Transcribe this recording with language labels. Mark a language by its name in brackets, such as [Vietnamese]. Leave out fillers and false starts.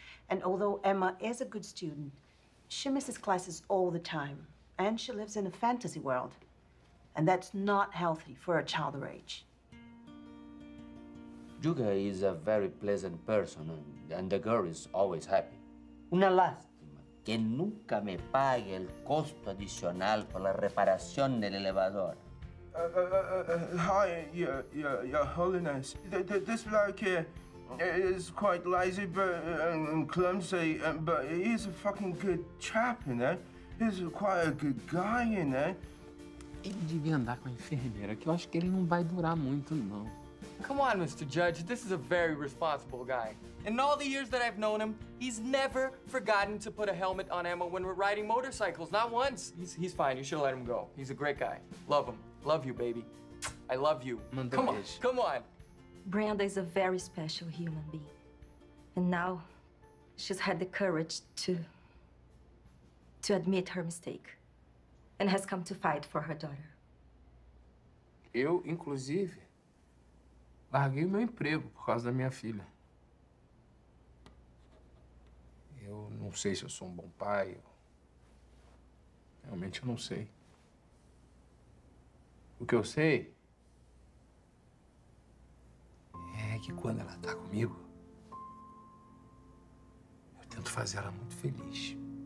[English] And although Emma is a good student, she misses classes all the time, and she lives in a fantasy world. And that's not healthy for a child her age. Juca is a very pleasant person, and the girl is always happy. [Spanish] Una lástima que nunca me pague el costo adicional por la reparación del elevador. [English] Hi, Your Holiness. This bloke here is quite lazy and clumsy, but he's a fucking good chap, you know? He's quite a good guy, you know? [Portuguese] Ele devia andar com a enfermeira, que eu acho que ele não vai durar muito, não. [English] Come on, Mr. Judge, this is a very responsible guy. In all the years that I've known him, he's never forgotten to put a helmet on Emma when we're riding motorcycles, not once. He's fine, you should let him go. He's a great guy. Love him. Love you, baby. I love you. Come on, come on. Brenda is a very special human being. And now she's had the courage to admit her mistake and has come to fight for her daughter. [Portuguese] Eu, inclusive, larguei meu emprego por causa da minha filha. Eu não sei se eu sou um bom pai. Realmente eu não sei. O que eu sei é que quando ela tá comigo, eu tento fazer ela muito feliz.